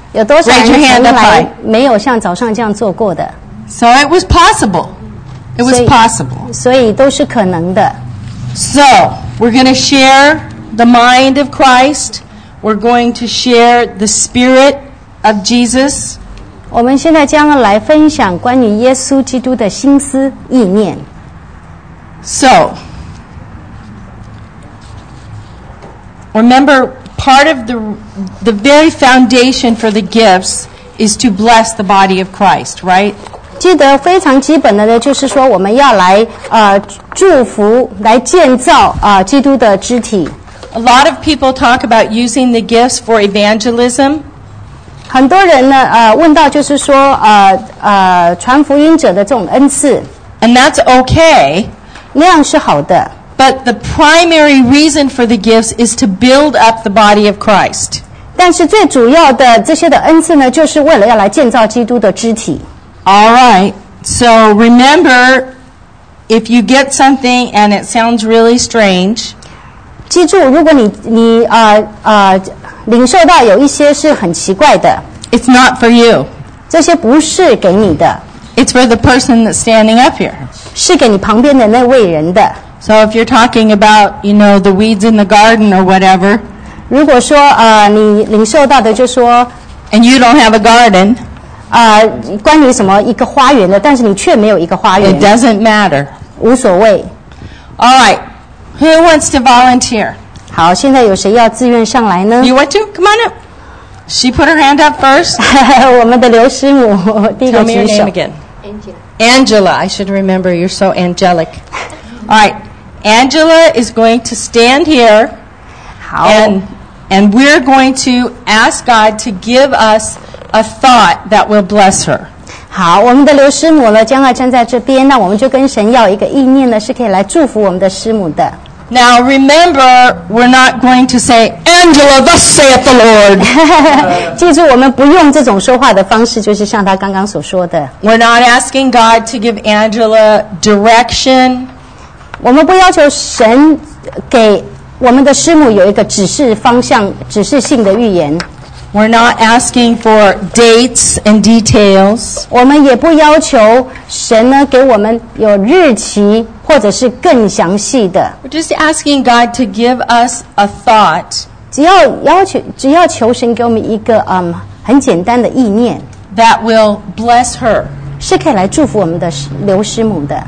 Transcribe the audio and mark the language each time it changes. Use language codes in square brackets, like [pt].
[zh] 有多少人从来没有像早上这样做过的? [en] So it was possible. It was possible. [zh] 所以都是可能的。 [en] So we're going to share the mind of Christ. We're going to share the spirit. Of Jesus, [zh] 我们现在将来分享关于耶稣基督的心思意念。 [en] So, remember, part of the very foundation for the gifts is to bless the body of Christ, right? [zh] 记得非常基本的就是说我们要来祝福来建造基督的肢体。 [en] A lot of people talk about using the gifts for evangelism. [zh] 很多人呢，问到就是说，传福音者的这种恩赐 [en] ，and that's okay， [zh] 那样是好的。 [en] But the primary reason for the gifts is to build up the body of Christ。 [zh] 但是最主要的这些的恩赐呢，就是为了要来建造基督的肢体。 [en] All right, so remember, if you get something and it sounds really strange， [zh] 记住，如果你领受到有一些是很奇怪的。 [en] It's not for you. [zh] 这些不是给你的。 [en] It's for the person that's standing up here. [zh] 是给你旁边的那位人的。 [en] So if you're talking about, you know, the weeds in the garden or whatever. [zh] 如果说你领受到的就说。 [en] And you don't have a garden. [zh] 关于什么一个花园的，但是你却没有一个花园。 [en] It doesn't matter. [zh] 无所谓。 [en] All right. Who wants to volunteer? [zh] 好，现在有谁要自愿上来呢 [en] ？You want to? Come on up. She put her hand up first. [zh] 我们的刘师母第一个举手。 [en] Tell me your name again. Angela. Angela, I should remember. You're so angelic. All right, Angela is going to stand here. [zh] 好。 [en] And we're going to ask God to give us a thought that will bless her. [zh] 好，我们的刘师母呢，将要站在这边。那我们就跟神要一个意念呢，是可以来祝福我们的师母的。 [en] Now remember, we're not going to say, "Angela, thus saith the Lord." [zh] 记住，我们不用这种说话的方式，就是像他刚刚所说的。 [en] We're not asking God to give Angela direction. [zh] 我们不要求神给我们的师母有一个指示方向、指示性的预言。 [en] We're not asking for dates and details. [zh] 我们也不要求神呢给我们有日期或者是更详细的。 [en] We're just asking God to give us a thought. [zh] 只要求神给我们一个很简单的意念。 [en] That will bless her. [zh] 是可以来祝福我们的刘师母的。